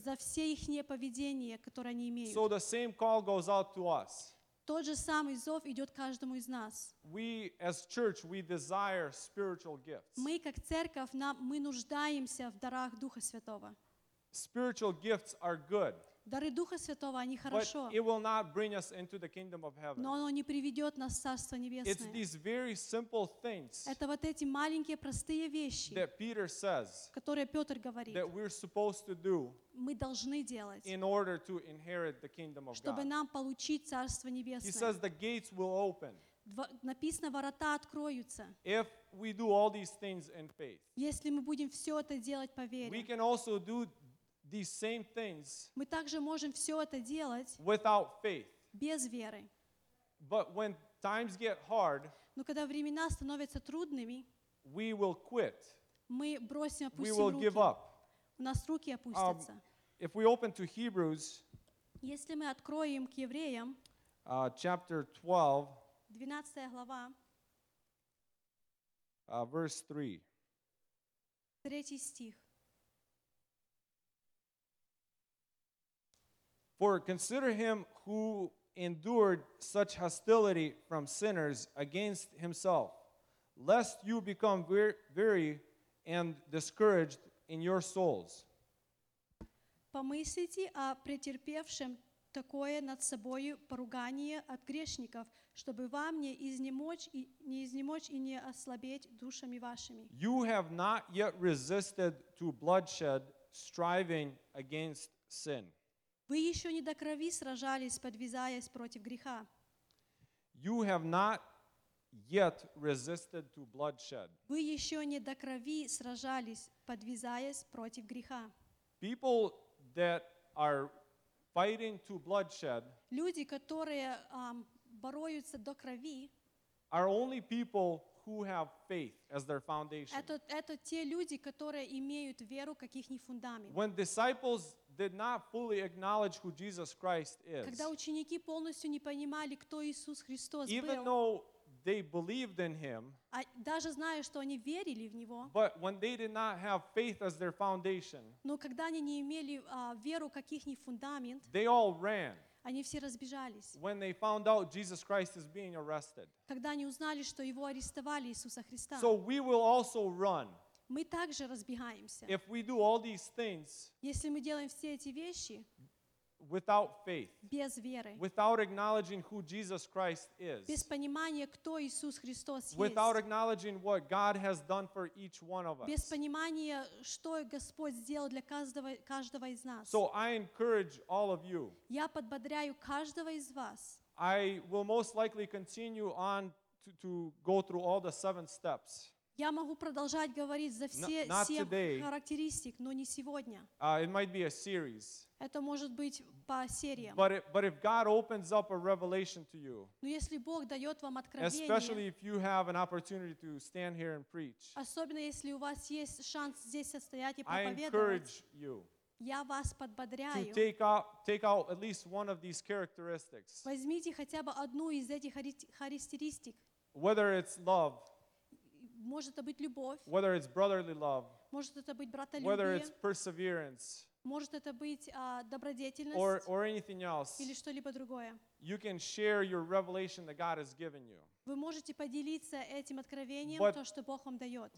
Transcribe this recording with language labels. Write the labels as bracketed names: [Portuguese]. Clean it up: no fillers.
[Russian] За все ихнее поведение, которое они имеют. [English] So the same call goes out to us. [Russian] Тот же самый зов идет каждому из нас. [English] We, as church, we desire spiritual gifts. [Russian] Мы как церковь, мы нуждаемся в дарах Духа Святого. [English] Spiritual gifts are good. [Russian] Дары Духа Святого, они хорошо. [English] But it will not bring us into the kingdom of heaven. [Russian] Но оно не приведет нас в Царство Небесное. [English] It's these very simple things. [Russian] Это вот эти маленькие простые вещи. [English] That Peter says. [Russian] Которые Петр говорит. [English] That we're supposed to do. [Russian] Мы должны делать. [English] In order to inherit the kingdom of God. [Russian] Чтобы нам получить Царство Небесное. [English] He says the gates will open. [Russian] Написано, ворота откроются. [English] If we do all these things in faith. [Russian] Если мы будем все это делать по вере. [English] We can also do these same things. [Russian] Мы также можем все это делать [English] without faith. [Russian] Без веры. [English] But when times get hard, [Russian] но когда времена становятся трудными, [English] we will quit. [Russian] Мы бросим, опустим руки. [English] We will give up. [Russian] У нас руки опустятся. [English] If we open to Hebrews, [Russian] если мы откроем к евреям, [English] chapter 12, [Russian] 12 глава, [English] verse 3, [Russian] 3 стих. [English] For consider him who endured such hostility from sinners against himself, lest you become weary and discouraged in your souls. [Russian] Помыслите о претерпевшем такое над собою поругание от грешников, чтобы вам не изнемочь и не ослабеть душами вашими. [English] You have not yet resisted to bloodshed, striving against sin. [Russian] Вы еще не до крови сражались, подвизаясь против греха. [English] You have not yet resisted to bloodshed. [Russian] Вы еще не до крови сражались, подвизаясь против греха. [English] People that are fighting to bloodshed, [Russian] люди, которые бороются до крови, [English] are only people who have faith as their foundation. [Russian] Это те люди, которые имеют веру как их фундамент. [English] When disciples did not fully acknowledge who Jesus Christ is. [Russian] Когда ученики полностью не понимали, кто Иисус Христос был. [English] Even though they believed in him. [Russian] Даже зная, что они верили в него. [English] But when they did not have faith as their foundation. [Russian] Но когда они не имели веру как их фундамент. [English] They all ran. [Russian] Они все разбежались. [English] When they found out Jesus Christ is being arrested. [Russian] Когда они узнали, что его арестовали, Иисуса Христа. [English] So we will also run. [Russian] Мы также разбегаемся. [English] If we do all these things, [Russian] если мы делаем все эти вещи [English] without faith, [Russian] без веры, [English] without acknowledging who Jesus Christ is, [Russian] без понимания, кто Иисус Христос есть, [English] without acknowledging what God has done for each one of us, [Russian] без понимания, что Господь сделал для каждого из нас. [English] So I encourage all of you. [Russian] Я подбодряю каждого из вас. [English] I will most likely continue on to go through all the seven steps. [Russian] Я могу продолжать говорить за все семь характеристик, но не сегодня. [English] It might be a series. [Russian] Это может быть по сериям. [English] But if God opens up a revelation to you, [Russian] но если Бог дает вам откровение, [English] especially if you have an opportunity to stand here and preach, [Russian] особенно если у вас есть шанс здесь состоять и проповедовать, [English] I encourage you. [Russian] Я вас подбодряю. [English] To take out at least one of these characteristics. [Russian] Возьмите хотя бы одну из этих характеристик. [English] Whether it's love. [Russian] Может это быть любовь. [English] Whether it's brotherly love. [Russian] Может это быть братолюбие. [English] Whether it's perseverance. [Russian] Может это быть добродетельность. [English] Or anything else. [Russian] Или что-либо другое. [English] You can share your revelation that God has given you. [Russian] Вы можете поделиться этим откровением, то, что Бог вам дает.